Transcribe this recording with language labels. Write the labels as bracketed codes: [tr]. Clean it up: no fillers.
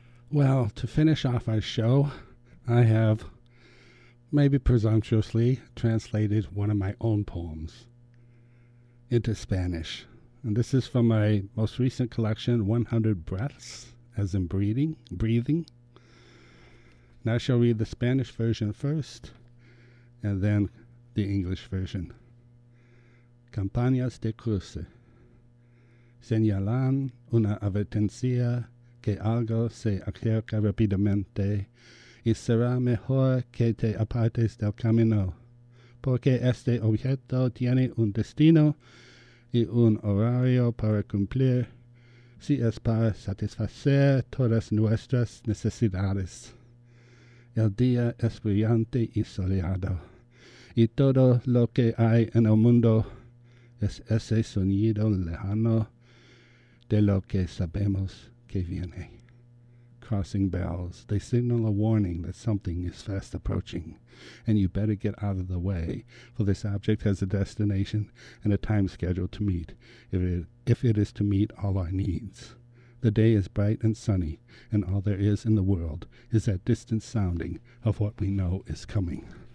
[en] Well, to finish off our show, I have, maybe presumptuously, translated one of my own poems into Spanish. And this is from my most recent collection, 100 Breaths, as in breathing. And I shall read the Spanish version first, and then the English version. [es] Campañas de cruce. Señalan una advertencia que algo se acerca rápidamente y será mejor que te apartes del camino porque este objeto tiene un destino y un horario para cumplir si es para satisfacer todas nuestras necesidades. El día es brillante y soleado y todo lo que hay en el mundo es ese sonido lejano de lo que sabemos que viene. [en] Crossing bells, they signal a warning that something is fast approaching, and you better get out of the way, for this object has a destination and a time schedule to meet, if it is to meet all our needs. The day is bright and sunny, and all there is in the world is that distant sounding of what we know is coming.